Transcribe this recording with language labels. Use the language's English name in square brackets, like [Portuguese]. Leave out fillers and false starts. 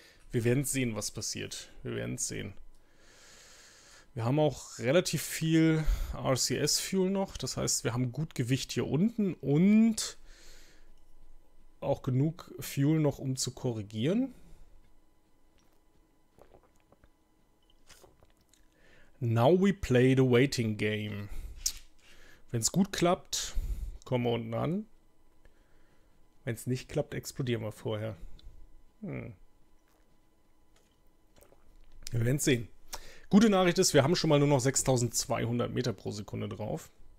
[German] Wir werden sehen, was passiert. Wir werden sehen. Wir haben auch relativ viel RCS-Fuel noch. Das heißt, wir haben gut Gewicht hier unten und auch genug Fuel noch, um zu korrigieren. [English] Now we play the waiting game. [German] Wenn es gut klappt, kommen wir unten an. Wenn es nicht klappt, explodieren wir vorher. Wir werden es sehen. Gute Nachricht ist, wir haben schon mal nur noch 6200 Meter pro Sekunde drauf.